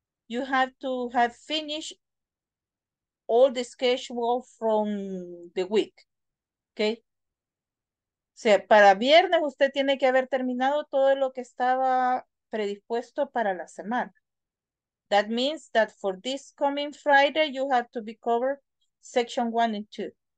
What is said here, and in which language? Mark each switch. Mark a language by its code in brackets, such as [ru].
[en] you have to have finished all the schedule from the week. Okay. [es] O sea, para viernes usted tiene que haber terminado todo lo que estaba predispuesto para la semana. [en] That means that for this coming Friday, you have to be covered section 1 and 2.